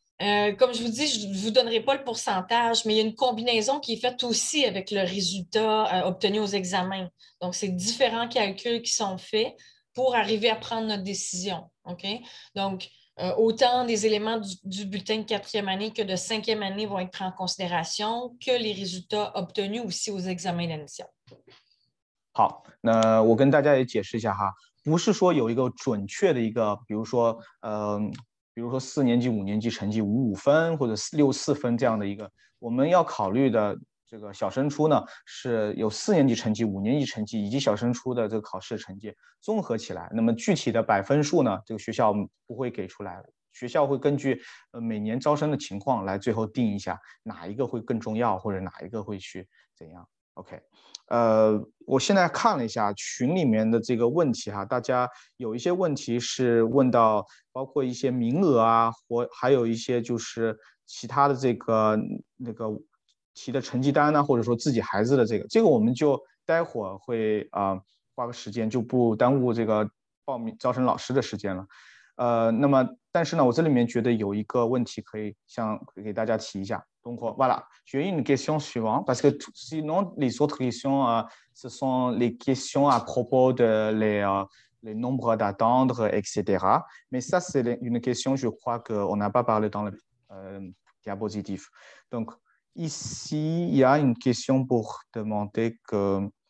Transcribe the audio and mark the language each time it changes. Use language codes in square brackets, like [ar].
[fr] Comme je vous dis, je ne vous donnerai pas le pourcentage, mais il y a une combinaison qui est faite aussi avec le résultat obtenu aux examens. Donc, c'est différents calculs qui sont faits pour arriver à prendre notre décision. Okay? Donc, autant des éléments du bulletin de quatrième année que de cinquième année vont être pris en considération que les résultats obtenus aussi aux examens d'admission. [zh] 好，那我跟大家也解释一下哈，不是说有一个准确的一个，比如说，四年级、五年级成绩五五分或者六四分这样的一个，我们要考虑的这个小升初呢，是有四年级成绩、五年级成绩以及小升初的这个考试成绩综合起来。那么具体的百分数呢，这个学校不会给出来，学校会根据每年招生的情况来最后定一下哪一个会更重要，或者哪一个会去怎样。 OK， 我现在看了一下群里面的这个问题哈，大家有一些问题是问到包括一些名额啊，或还有一些就是其他的这个那个提的成绩单啊，或者说自己孩子的这个我们就待会儿会花个时间，就不耽误这个报名招生老师的时间了。那么但是呢，我这里面觉得有一个问题可以给大家提一下。 [fr] Donc voilà, j'ai une question suivante, parce que sinon les autres questions, ce sont les questions à propos de les nombres d'attendre, etc. Mais ça, c'est une question, je crois, qu'on n'a pas parlé dans le diapositive. Donc ici, il y a une question pour demander que...